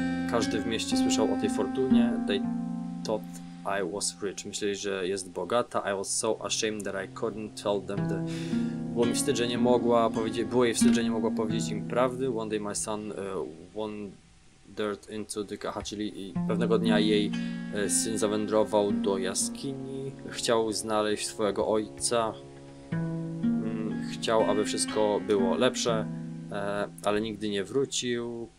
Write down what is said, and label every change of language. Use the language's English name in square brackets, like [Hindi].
[Polish] Każdy w mieście słyszał o tej fortunie. [English] They thought I was rich. [Polish] Myśleli, że jest bogata. [English] I was so ashamed that I couldn't tell them the... [Polish] Było mi wstyd, że nie mogła powiedzieć... Było jej wstyd, że nie mogła powiedzieć im prawdy. [English] One day my son wandered into the... [Polish] Aha, czyli pewnego dnia jej syn zawędrował do jaskini. Chciał znaleźć swojego ojca. Chciał, aby wszystko było lepsze, ale nigdy nie wrócił.